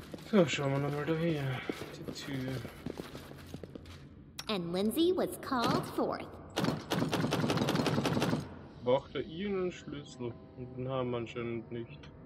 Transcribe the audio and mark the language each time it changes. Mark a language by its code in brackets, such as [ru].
[de] So, schauen wir nochmal da hier. Die Tür. [en] And Lindsay was called forth. [de] Braucht er irgendeinen Schlüssel? Den haben wir anscheinend nicht.